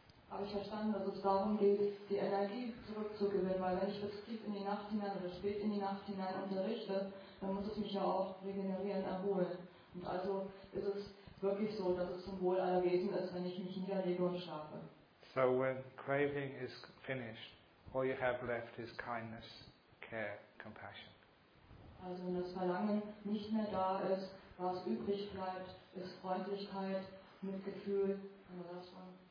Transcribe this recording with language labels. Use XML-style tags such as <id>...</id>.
<de>Habe ich verstanden, dass es darum geht, die Energie zurückzugewinnen, weil wenn ich jetzt tief in die Nacht hinein oder spät in die Nacht hinein unterrichte, dann muss ich mich ja auch regenerieren, erholen. Und also ist es wirklich so, dass es zum Wohl aller Wesen ist, wenn ich mich niederlege und schlafe.</de> <en>So when craving is finished, all you have left is kindness, care, compassion.</en> <de>Also wenn das Verlangen nicht mehr da ist, was übrig bleibt, ist Freundlichkeit, Mitgefühl, oder das von</de>